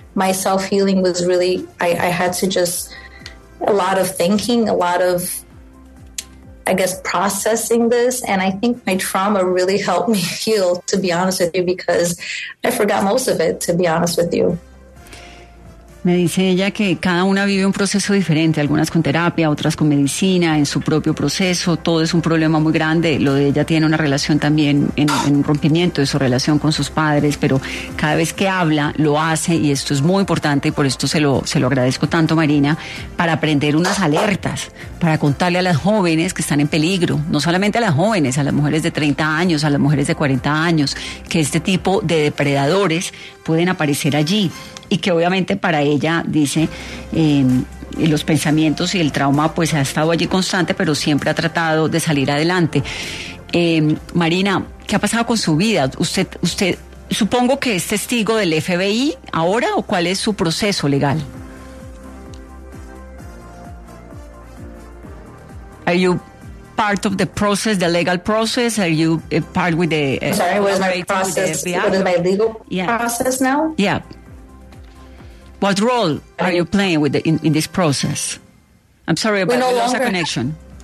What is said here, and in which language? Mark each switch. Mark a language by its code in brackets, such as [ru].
[en] My self-healing was really, I had to just, a lot of thinking, a lot of, I guess, processing this, and I think my trauma really helped me heal, to be honest with you, because I forgot most of it, to be honest with you. [es] Me dice ella que cada una vive un proceso diferente, algunas con terapia, otras con medicina, en su propio proceso, todo es un problema muy grande. Lo de ella tiene una relación también en un rompimiento de su relación con sus padres, pero cada vez que habla, lo hace, y esto es muy importante, y por esto se lo agradezco tanto, Marina, para prender unas alertas, para contarle a las jóvenes que están en peligro, no solamente a las jóvenes, a las mujeres de 30 años, a las mujeres de 40 años, que este tipo de depredadores pueden aparecer allí. Y que obviamente para ella, dice, los pensamientos y el trauma pues ha estado allí constante, pero siempre ha tratado de salir adelante. Marina, ¿qué ha pasado con su vida? Usted supongo que es testigo del FBI ahora, ¿o cuál es su proceso legal? [en] Are you part of the process, the legal process? Are you part with the... Sorry, what is my process? What is my legal process now? Yeah. What role are you playing with in this process? I'm sorry, but we lost our connection.